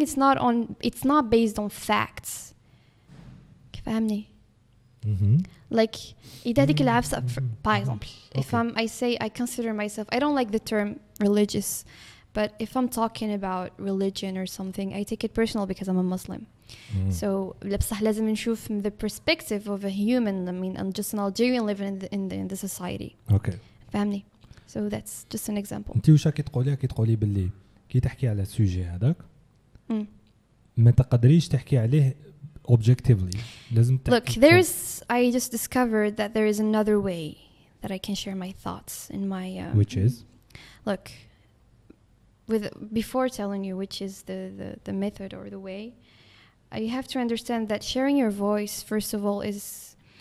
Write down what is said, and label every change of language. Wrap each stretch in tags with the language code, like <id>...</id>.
<en>It's not based on facts.</en> <ar>فهمني</ar> <en>like</en> <ar>إذا ديك العفسة</ar> <en>by example if I say I consider myself I don't like the term religious but if I'm talking about religion or something I take it personal because I'm a Muslim so</en> <ar>بصح لازم نشوف</ar> <en>from the perspective of a human I mean I'm just an Algerian living in the society okay</en> <ar>فهمني</ar> <en>so that's just an example</en> <ar>انت وش كي تقولي باللي كي تحكي على السوجي هذاك ما تقدريش تحكي عليه Objectively,</ar> <en>look, there's. I just discovered that there is another way that I can share my thoughts in my. Which is, look, with before telling you which is the method or the way, you have to understand that sharing your voice first of all is.</en>